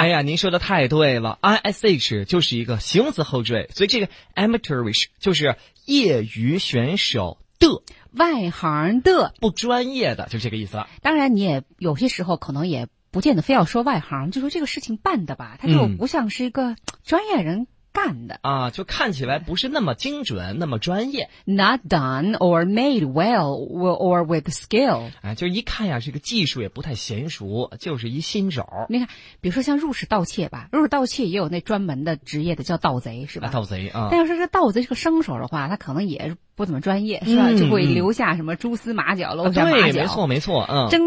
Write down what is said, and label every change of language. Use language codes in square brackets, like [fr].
[zh] 哎呀，您说的太对了 ，ish 就是一个形容词后缀，所以这个 amateurish 就是业余选手的。外行的，不专业的，就这个意思了。当然，你也有些时候可能也不见得非要说外行，就说这个事情办的吧，他就不像是一个专业人。干的啊，就看起来不是那么精准，那么专业。 [en] Not done or made well or with skill。 [zh] 啊，就一看呀，这个技术也不太娴熟，就是一新手。你看，比如说像入室盗窃吧，入室盗窃也有那专门的职业的叫盗贼，是吧？啊、盗贼啊、嗯。但要是这盗贼是个生手的话，他可能也不怎么专业，是吧？嗯、就会留下什么蛛丝马脚、漏下马脚。对，没错，没错。嗯。